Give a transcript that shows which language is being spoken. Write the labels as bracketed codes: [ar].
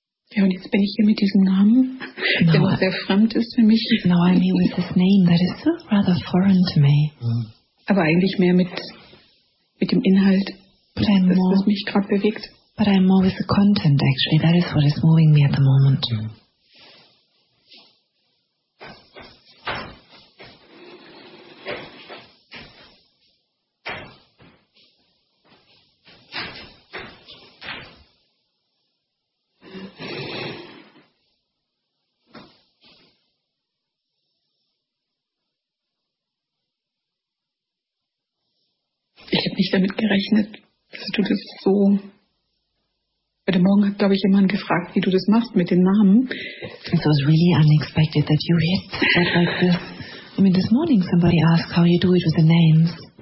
[de] Ja, und jetzt bin ich hier mit diesem Namen, der noch sehr fremd ist für mich. [en] Now I'm here with this name that is so rather foreign to me. [de] Aber eigentlich mehr mit dem Inhalt, was mich gerade bewegt. [en] But I'm more with the content, actually. That is what is moving me at the moment. [de] Damit gerechnet, dass du das so. Heute Morgen hat, glaube ich, jemand gefragt, wie du das machst mit dem Namen. [en] It was really unexpected that you hit that like this. I mean, this morning somebody asked how you do it with the names.